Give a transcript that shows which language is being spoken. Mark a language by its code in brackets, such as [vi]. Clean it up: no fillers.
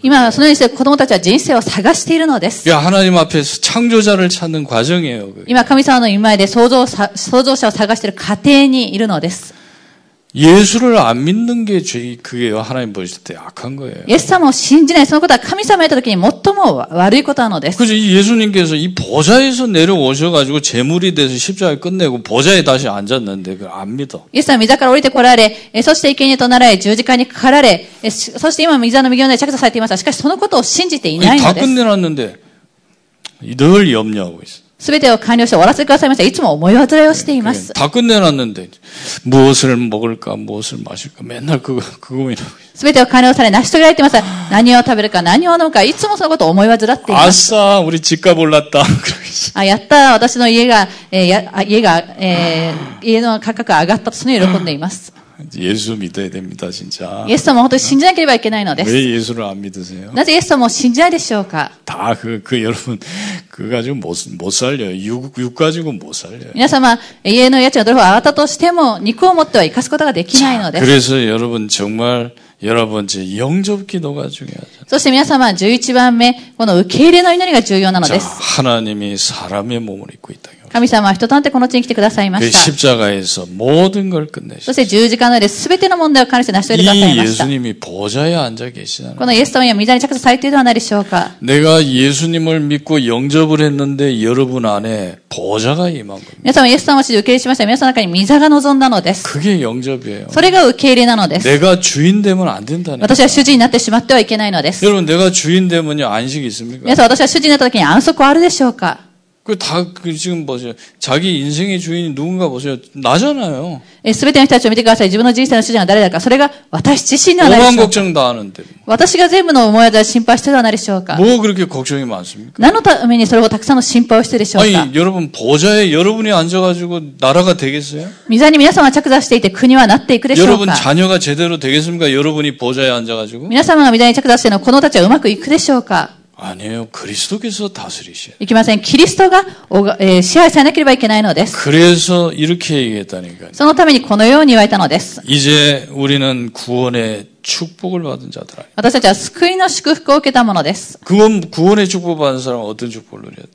[ja] 今はそのようにして子供たちは人生を探しているのです [ko] いや하나님앞에서창조자를찾는과정이에요 [ja] 今神様の御前で創造者を探している過程にいるのです [ko] 예수를안믿는게죄이그게하나님보실때악한거예요 [ja] 예수様を信じないそのことは神様へた時に最も悪いことなのです [ko] 그죠예수님께서이보좌에서내려오셔가지고제물이돼서십자가끝내고보좌에다시앉았는데그안믿어 [ja] 예수様御座から降りてこられそして生贄となられ十字架にかかられそして今御座の右側に着座されていましたしかしそのことを信じていないのです [ko] だ끝내놨는데늘염려하고있어 [ja] すべてを完了して終わらせてくださいました。いつも思い煩いをしています。 [ko] 다끝내놨는데、무엇을먹을까、무엇을마실까、맨날그고민하고있어요。 [ja] すべてを完了され、成し遂げられていました。何を食べるか、何を飲むか、いつもそのことを思い煩っています。 [ko] あっさ、우리집값올랐다。 [ja] あ、やった、私の家が、家の価格が上がったと、その喜んでいます。 [ko] 예수믿어야됩니다진짜 [ja] 예수様は本当に信じなければいけないのです [ko] 왜예수를안믿으세요 [ja] なぜイエス様を信じないでしょうか [ko] 다그여러분그가지고못살려요 육가지고못살려요 [ja] 皆様家の家賃がどれほど上がったとしても肉を持っては生かすことができないのです [ko] 그래서여러분정말여러번째영접기도가중요하죠 [ja] そして皆様11番目この受け入れの祈りが重要なのです [ko] 하나님이사람의몸을입고있다 [ja] 神様は人となってこの地に来てくださいました。 [ko] 十字架에서모든걸끝내 셨습니다。 [ja] そして十字架の上で全ての問題を完成して成し遂げてくださいました。 [ko] 이예수님이보좌에앉아계시나요 [ja] このイエス様は御座に着座されているのではないでしょうか [ko] 내가예수님을믿고영접을했는데여러분안에보좌가임한겁니다。 [ja] 皆様はイエス様を受け入れしました。皆様の中に御座が望んだのです。 [ko] 그게영접이에요。 [ja] それが受け入れなのです。 [ko] 내가주인되면안된다는 [ja] 私は主人になってしまってはいけないのです。 [ko] 여러분、내가주인되면요、안식이있습니까 [ja] 皆様、私は主人になった時に安息はあるでしょうか [ko] 그 다 그 지금 보세요. 자기 인생의 주인이 누군가 보세요. 나잖아요. [ja] 예, 全ての人たちを見てください。自分の人生の主人は誰だか。それが私自身ではないでしょうか。 [ko] 何걱정다하는데。 [ja] 私が全部の思いや心配してるのでしょうか。 [ko] 뭐그렇게걱정이많습니까。 [ja] 何のためにそれをたくさんの心配をしてるでしょうか。 [ko] 아니여러분보좌에여러분이앉아가지고나라가되겠어요。 [ja] 御座に皆様が着座していて国はなっていくでしょうか。 [ko] 여러분자녀가제대로되겠습니까。 여러분이보좌에앉아가지고。 [ja] 皆様が御座に着座しての子供たちはうまくいくでしょうか。 [ko] 아니에요그리스도께서다스리셔 요이기마선그리스도가시하지않ければいけないのです 그래서이렇게얘기했다니까요 [ja] そのためにこのように言われたのです [ko] 이제우리는구원의축복을받은자들아 [ja] 私たちは救いの祝福を受けたものです [ko] 구원의축복받은사람은어떤축복을누려야돼